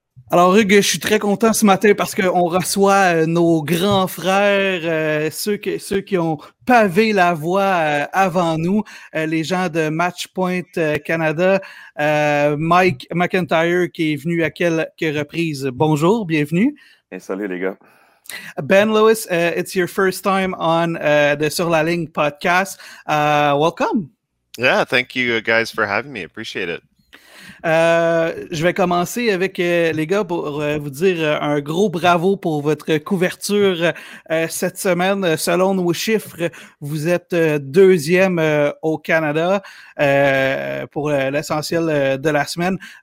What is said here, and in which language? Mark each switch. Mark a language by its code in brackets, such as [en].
[fr] Alors, Hugues, je suis très content ce matin parce qu'on reçoit nos grands frères, ceux qui ont pavé la voie avant nous, les gens de Matchpoint Canada. Mike McIntyre qui est venu à quelques reprises. Bonjour, bienvenue. Et salut les gars. [en] Ben Lewis, it's your first time on the Sur la Ligne podcast. Welcome. Yeah, thank you guys for having me. Appreciate it. [fr] Je vais commencer avec les gars pour vous dire un gros bravo pour votre couverture cette semaine. Selon nos chiffres, vous êtes deuxième au Canada pour l'essentiel de la semaine.